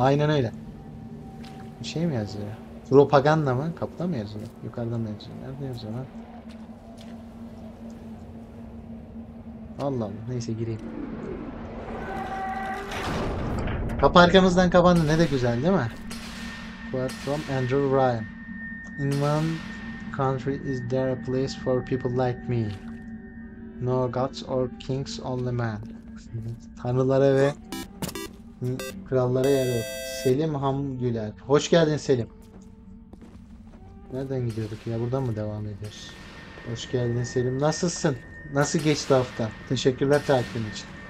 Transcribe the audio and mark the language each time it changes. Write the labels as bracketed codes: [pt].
[tr] Aynen öyle. Bir şey mi yazıyor? Propaganda mı? Kapıda mı yazıyor? Yukarıda mı yazıyor? Nerede yazıyor lan? Allah Allah. Neyse gireyim. Kapı arkamızdan kapandı. Ne de güzel değil mi? [en] Quote from Andrew Ryan. In one country is there a place for people like me. No gods or kings, only men. [tr] Tanrılara ve krallara yer yok. Selim Hamgüler. Hoş geldin Selim. Nereden gidiyorduk ya? Buradan mı devam ediyoruz? Hoş geldin Selim. Nasılsın? Nasıl geçti hafta? Teşekkürler takipin için.